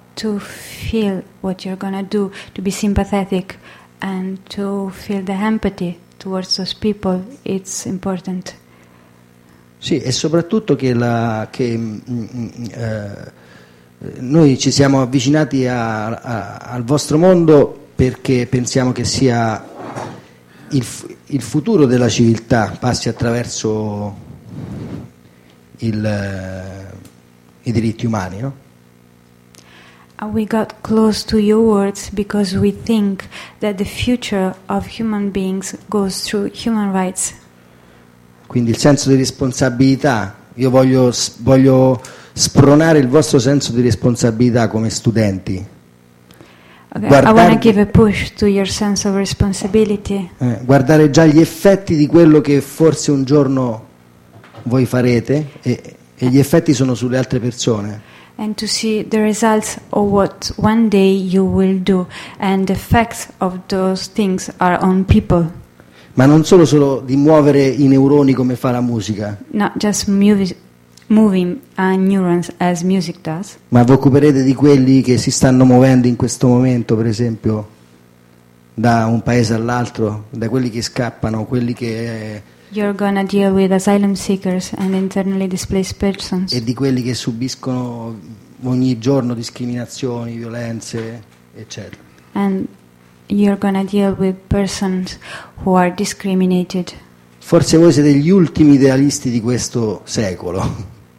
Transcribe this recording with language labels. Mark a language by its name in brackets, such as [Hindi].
[English] To feel what you're gonna do, to be sympathetic and to feel the empathy towards those people, it's important. [Italian] Sì, e soprattutto che la che noi ci siamo avvicinati al vostro mondo perché pensiamo che sia il futuro della civiltà passi attraverso i diritti umani, no? [English] We got close to your words because we think that the future of human beings goes through human rights. [Italian] Quindi il senso di responsabilità, io voglio spronare il vostro senso di responsabilità come studenti. [English] Okay, [Italian] guardare, [English] I want to give a push to your sense of responsibility. [Italian] Guardare già gli effetti di quello che forse un giorno voi farete e gli effetti sono sulle altre persone. [English] And to see the results of what one day you will do and the effects of those things are on people. [Italian] Ma non solo di muovere i neuroni come fa la musica. [English] Not just moving neurons as music does. [Italian] Ma vi occuperete di quelli che si stanno muovendo in questo momento, per esempio, da un paese all'altro, da quelli che scappano, quelli che [English] You're gonna deal with asylum seekers and internally displaced persons. [Italian] E di quelli che subiscono ogni giorno discriminazioni, violenze, eccetera. [English] And you're gonna deal with persons who are discriminated. [Italian] Forse voi siete gli ultimi idealisti di questo secolo.